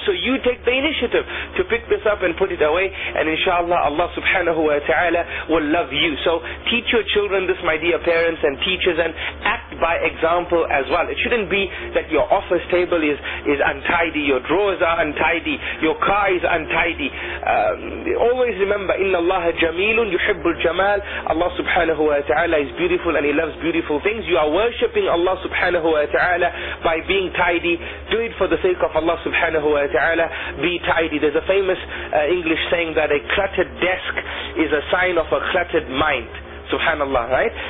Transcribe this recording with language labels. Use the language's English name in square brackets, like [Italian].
[English] So you take the initiative to pick this up and put it away, and inshallah Allah subhanahu wa ta'ala will love you. So teach your children this, my dear parents and teachers, and act by example as well. It shouldn't be that your office table is untidy, your drawers are untidy, your car is untidy. Always remember, [Arabic] إن الله جميل يحب الجمال. [English] Allah subhanahu wa ta'ala is beautiful and He loves beautiful things. You are worshipping Allah subhanahu wa ta'ala by being tidy. Do it for the sake of Allah subhanahu wa ta'ala. Be tidy. There's a famous English saying that a cluttered desk is a sign of a cluttered mind. Subhanallah, right?